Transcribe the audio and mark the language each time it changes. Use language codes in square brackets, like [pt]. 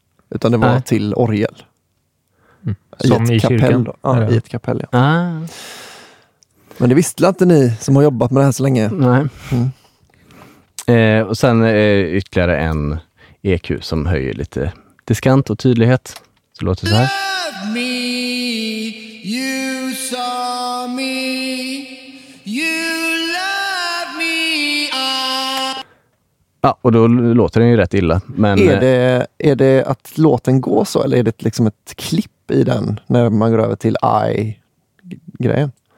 [sv] Utan det var till orgel. Mm. Som i kapell, kyrkan? Ja, i ett kapell. Ja. Ah. Men det visste inte ni som har jobbat med det här så länge. Nej. Mm. Och sen ytterligare en EQ som höjer lite diskant och tydlighet. Så det låter så här. [en] Love me, you saw me, you love me. [sv] Ja, och då låter den ju rätt illa. Men, är det att låten går så, eller är det liksom ett klipp i den när man går över till I-grejen?